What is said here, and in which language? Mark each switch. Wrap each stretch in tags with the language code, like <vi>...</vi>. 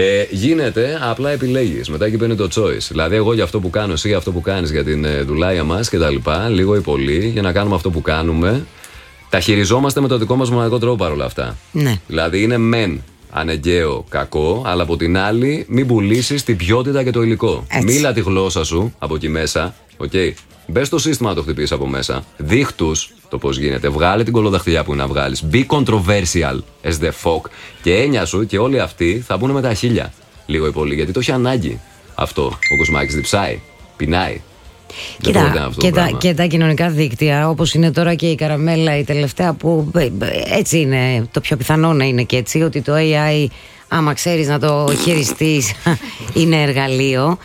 <el>Γίνεται, απλά επιλέγεις. Μετά εκεί παίρνει το choice. Δηλαδή, εγώ για αυτό που κάνω, εσύ για αυτό που κάνεις για την δουλάια μας και τα λοιπά, λίγο ή πολύ, για να κάνουμε αυτό που κάνουμε, τα χειριζόμαστε με το δικό μας μοναδικό τρόπο παρόλα αυτά. Ναι. Δηλαδή, είναι μεν αναγκαίο κακό, αλλά από την άλλη, μην πουλήσεις την ποιότητα και το υλικό. Έτσι. Μίλα τη γλώσσα σου από εκεί μέσα. Okay. Μπες στο σύστημα να το χτυπήσεις από μέσα. Δείχτους το πώς γίνεται. Βγάλε την κολοδαχτυλιά που είναι να βγάλεις.</el> <en>Be controversial as the fuck.</en> <el>Και έννοια σου και όλοι αυτοί θα μπουν με τα χίλια. Λίγο ή πολύ. Γιατί το έχει ανάγκη αυτό ο Κοσμάκης. Διψάει. Πεινάει. Κοίτα, και τα κοινωνικά δίκτυα, όπως είναι τώρα και η Καραμέλα, η τελευταία που έτσι είναι. Το πιο πιθανό να είναι και έτσι. Ότι το AI, άμα ξέρεις να το χειριστείς, είναι εργαλείο.</el>